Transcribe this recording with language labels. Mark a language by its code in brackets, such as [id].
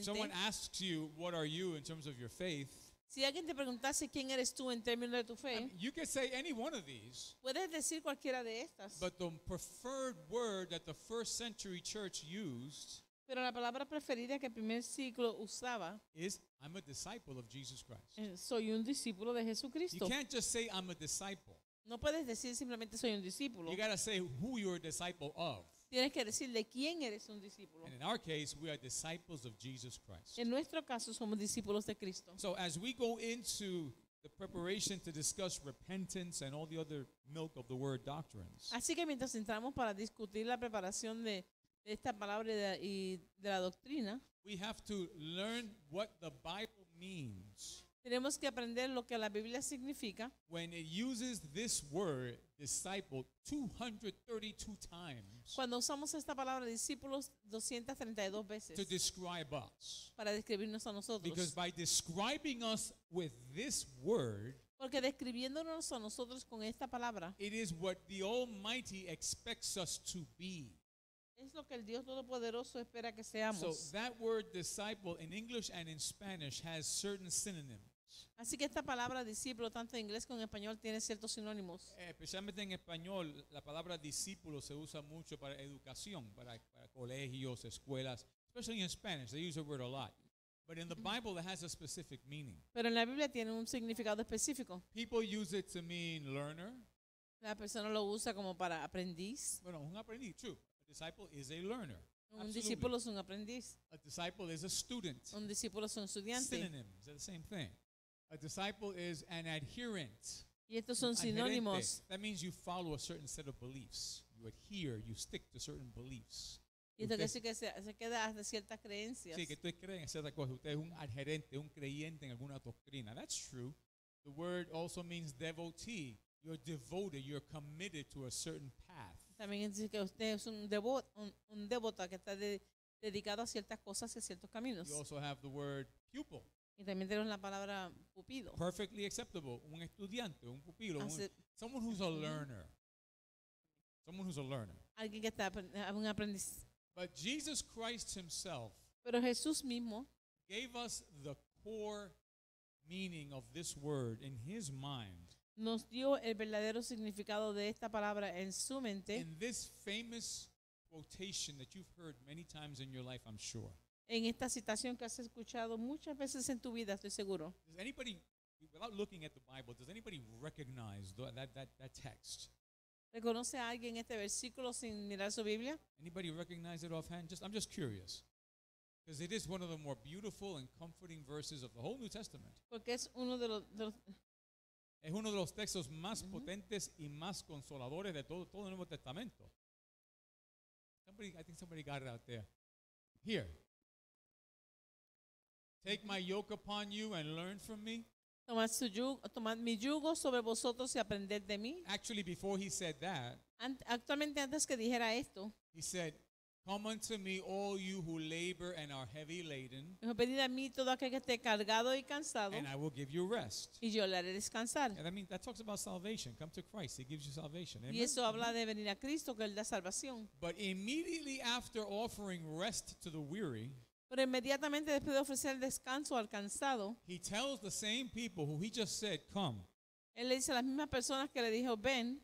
[en] if someone asks you, what are you in terms of your faith? [es] Si alguien te preguntase quién eres tú en términos de tu fe, [en] you can say any one of these. [es] Puedes decir cualquiera de estas. [en] But the preferred word that the first century church used, [es] pero la palabra preferida que el primer siglo usaba, [en] is I'm a disciple of Jesus Christ. [es] Soy un discípulo de Jesucristo. [en] You can't just say I'm a disciple. [es] No puedes decir simplemente soy un discípulo. [en] You gotta say who you're a disciple of. [es] Tienes que decir de quién eres un discípulo. [en] And in our case, we are disciples of Jesus Christ. [es] En nuestro caso, somos discípulos de Cristo. [en] So as we go into the preparation to discuss repentance and all the other milk of the word doctrines. [es] Así que mientras entramos para discutir la preparación de esta palabra y de la doctrina, [en] we have to learn what the Bible means. [es] Tenemos que aprender lo que la Biblia significa. [en] When it uses this word, disciple, 232 times. [es] Cuando usamos esta palabra, discípulos, 232 veces. [en] To describe us. [es] Para describirnos a nosotros. [en] Because by describing us with this word. [es] Porque describiéndonos a nosotros con esta palabra. [en] It is what the Almighty expects us to be. [es] Es lo que el Dios Todopoderoso espera que seamos. [en] So that word disciple in English and in Spanish has certain synonyms. [es] Así que esta palabra discípulo, tanto en inglés como en español, tiene ciertos sinónimos. Especialmente en español, la palabra discípulo se usa mucho para educación, para colegios, escuelas. [en] Especially in Spanish, they use the word a lot. But in the Bible, it has a specific meaning. [es] Pero en la Biblia tiene un significado específico. [en] People use it to mean learner. [es] La persona lo usa como para aprendiz. Bueno, un aprendiz, [en] true. A disciple is a learner. [es] Un discípulo es un aprendiz. [en] A disciple is a student. [es] Un discípulo es un estudiante. [en] Synonyms are the same thing. A disciple is an adherent. [es] Y estos son sinónimos. [en] That means you follow a certain set of beliefs. You adhere, you stick to certain beliefs. [es] Y esto quiere decir que se queda hasta ciertas creencias. Sí, que tú crees en ciertas cosas. Usted es un adherente, un creyente en alguna doctrina. [en] That's true. The word also means devotee. You're devoted, you're committed to a certain path. [es] También dice que usted es un devoto que está dedicado a ciertas cosas y a ciertos caminos. [en] You also have the word pupil. [es] Y también tenemos la palabra pupilo. [en] Perfectly acceptable. [es] Un estudiante, un pupilo. [en] Someone who's a learner. Someone who's a learner. [es] Alguien que está un aprendiz. [en] But Jesus Christ himself, [es] pero Jesús mismo, [en] gave us the core meaning of this word in his mind. [es] Nos dio el verdadero significado de esta palabra en su mente. [en] In this famous quotation that you've heard many times in your life, I'm sure. [es] En esta citación que has escuchado muchas veces en tu vida, estoy seguro. [en] Does anybody, without looking at the Bible, does anybody recognize that text? [es] ¿Reconoce a alguien este versículo sin mirar su Biblia? [en] Anybody recognize it offhand? I'm just curious. Because it is one of the more beautiful and comforting verses of the whole New Testament. [es] Porque es uno de los es uno de los textos más potentes y más consoladores de todo el Nuevo Testamento. [en] I think somebody got it out there. Here. Take my yoke upon you and learn from me. [es] Tomad mi yugo sobre vosotros y aprended de mí. [en] Actually, before he said that, [es] actualmente antes que dijera esto, [en] he said, come unto me all you who labor and are heavy laden. [es] Venid a mí todo aquel que esté cargado y cansado. [en] And I will give you rest. [es] Y yo le haré descansar. [en] And I mean, that talks about salvation. Come to Christ, he gives you salvation. Amen. [es] Y eso habla de venir a Cristo, que él da salvación. [en] But immediately after offering rest to the weary, [es] pero inmediatamente después de ofrecer descanso al cansado, [en] he tells the same people who he just said, come. [es] Él le dice a las mismas personas que le dijo, ven.